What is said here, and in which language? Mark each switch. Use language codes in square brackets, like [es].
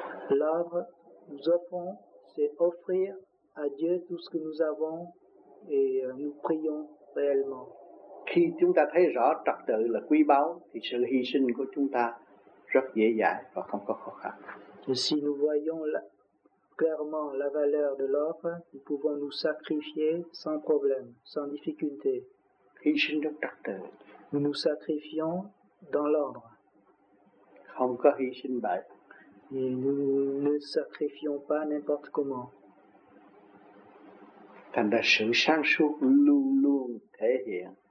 [fr] L'ordre, nous offrons, c'est offrir à Dieu tout ce que nous avons et nous prions réellement. [vi] Khi chúng ta thấy rõ trật tự là quý báu thì sự hy sinh của chúng ta rất dễ dàng và không có khó khăn. [fr] Et si nous voyons clairement la valeur de l'offre, nous pouvons nous sacrifier sans problème, sans difficulté. [vi] Hy sinh trong trật tự. [fr] Nous nous sacrifions dans l'ordre. [vi] Không có hy sinh bậy. [fr] Et nous ne sacrifions pas n'importe comment. [vi] Thành ra sự sáng suốt luôn luôn thể hiện.